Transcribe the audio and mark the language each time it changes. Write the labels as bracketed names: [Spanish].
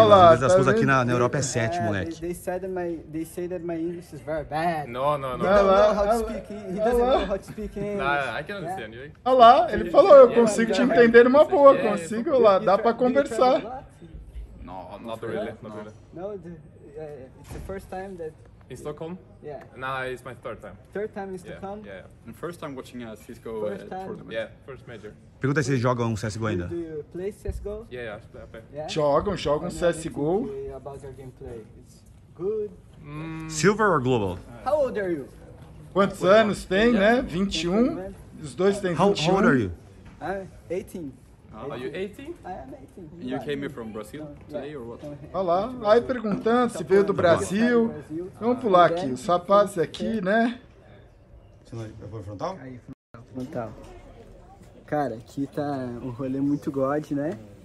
[Portuguese] Olá, inglês das ruas aqui na Europa é 7, moleque. [English] They say that my English is very bad. No. He doesn't know how to speak. He doesn't know how to speak English. Nah, I can understand you. [Portuguese] Olha lá, ele falou, eu consigo te entender numa boa, consigo lá, dá pra conversar. [English] Not really. No, it's the first time that... In Stockholm? Yeah. Nah, it's my third time. Third time in Stockholm? Yeah. And first time watching a Cisco tournament. Yeah, first major. [Portuguese] Pergunta se eles jogam um CSGO ainda. [English] Do you play CSGO? Yeah. [Portuguese] Jogam CSGO. [English] About your gameplay. It's good. Silver or Global? How old are you? [Portuguese] Quantos anos tem, né? 21. Os dois têm 21. [English] How old are you? I'm 18. Are you 18? I am 18. And you came here from Brazil today or what? [Portuguese] Olha lá, aí perguntando se veio do Brasil. Vamos pular aqui, os rapazes aqui, né? Você vai frontal? Frontal. Cara, aqui tá um rolê muito god, né?